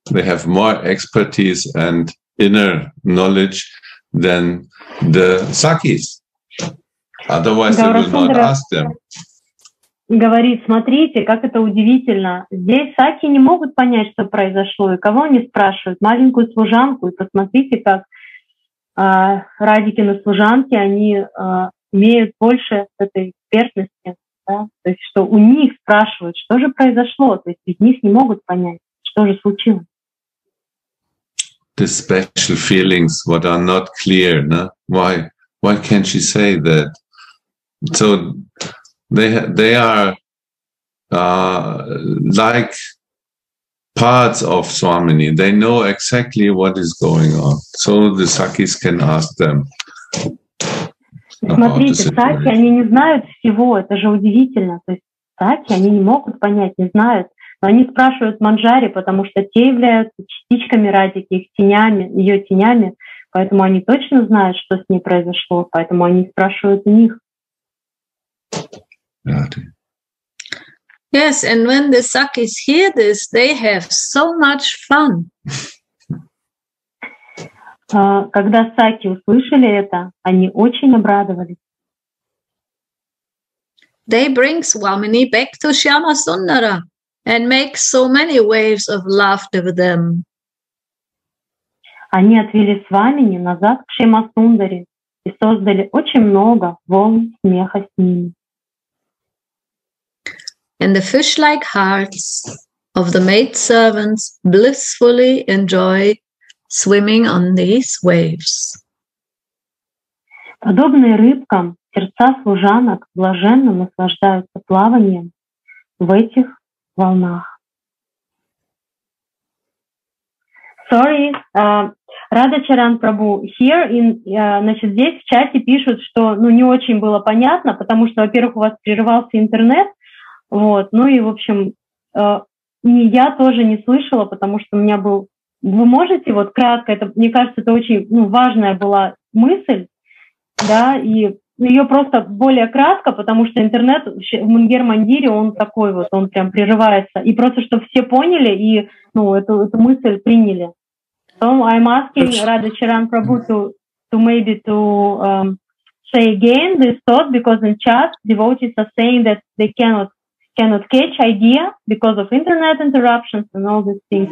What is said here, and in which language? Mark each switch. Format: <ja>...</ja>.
<en>They have more expertise and inner knowledge than the Sakis. Otherwise, they will not ask them.</en> <ru>Говорит, смотрите, как это удивительно. Здесь Саки не могут понять, что произошло, и кого они спрашивают? Маленькую служанку. И посмотрите, как Радикины служанки, они имеют больше этой экспертности. Да? То есть, что у них спрашивают, что же произошло. То есть, из них не могут понять, что же случилось.</ru> <en>The special feelings, what are not clear, no? Why can't she say that? So they are like parts of Swamini. They know exactly what is going on. So the Sakis can ask them.</en> <ru>Смотрите, Саки, они не знают всего. Это же удивительно. То есть Саки, они не могут понять, не знают. Но они спрашивают Манджари, потому что те являются частичками Радики, их тенями, ее тенями, поэтому они точно знают, что с ней произошло, поэтому они спрашивают у них.</ru> <en>Yes, and when the Sakis hear this, they have so much fun.</en> <ru>Когда Саки услышали это, они очень обрадовались.</ru> <en>They bring Swamini back to Shyamasundara and make so many waves of laughter with them.</en> <ru>Они отвели Свамини назад к Шьямасундаре и создали очень много волн смеха с ними.</ru> <en>And the fish-like hearts of the maid servants blissfully enjoyed swimming on these waves.</en> <ru>Подобные рыбкам сердца служанок блаженно наслаждаются плаванием в этих волнах.</ru> <en>Sorry,</en> <ru>Радхачаран Прабу, here in, значит, здесь в чате пишут, что ну, не очень было понятно, потому что, во-первых, у вас прерывался интернет, вот, ну и, в общем, я тоже не слышала, потому что у меня был... Вы можете вот кратко, это, мне кажется, это очень ну, важная была мысль, да, и ее просто более кратко, потому что интернет в Мунгер-Мандире, он такой вот, он прям прерывается, и просто, чтобы все поняли и ну, эту мысль приняли.</ru> <en>So I'm asking Radhacharan Prabhu to maybe to say again this thought because in chat devotees are saying that they cannot catch idea because of internet interruptions and all these things.</en>